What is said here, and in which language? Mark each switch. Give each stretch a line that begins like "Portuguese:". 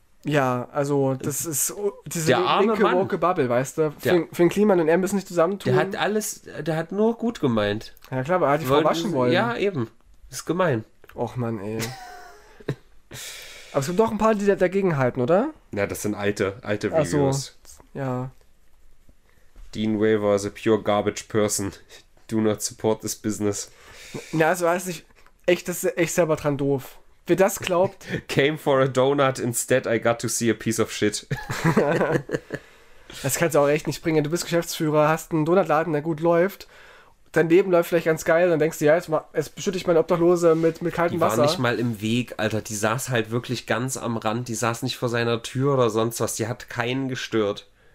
German: Ja, also das ist diese linke woke Bubble, weißt du? Für den Kliman und er müssen sich zusammentun. Der hat nur gut gemeint. Ja klar, aber er hat die Frau waschen wollen. Ja, eben. Das ist gemein. Och Mann, ey. Aber es gibt doch ein paar, die dagegen halten, oder? Ja, das sind alte Videos. Ach so, ja.
English: Dean Waver is a pure garbage person. Do not support this business.
German: Na, also weiß ich, echt, das ist echt selber dran doof. Wer das glaubt.
English: Came for a donut, instead I got to see a piece of shit.
German: Das kannst du auch echt nicht bringen. Du bist Geschäftsführer, hast einen Donutladen, der gut läuft. Dein Leben läuft vielleicht ganz geil, dann denkst du, ja, jetzt beschütte ich meine Obdachlose mit kaltem Wasser. Die war nicht mal im Weg, Alter. Die saß halt wirklich ganz am Rand. Die saß nicht vor seiner Tür oder sonst was. Die hat keinen gestört.